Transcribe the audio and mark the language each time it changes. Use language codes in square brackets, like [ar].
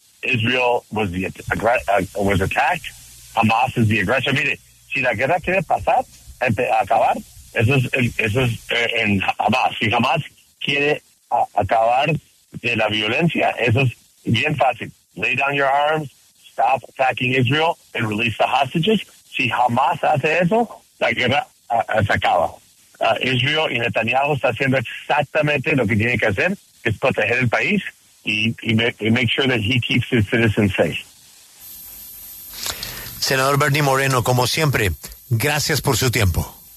[en] Israel was was attacked. Hamas is the aggressor. [es] Mire, si la guerra quiere pasar, acabar, eso es en Hamas. Si Hamas quiere acabar de la violencia, eso es bien fácil. [en] Lay down your arms, stop attacking Israel, and release the hostages. [es] Si Hamas hace eso, la guerra se acaba. Israel y Netanyahu está haciendo exactamente lo que tiene que hacer, es proteger el país y make sure that he keeps his citizens safe. Senador Bernie Moreno, como siempre, gracias por su tiempo.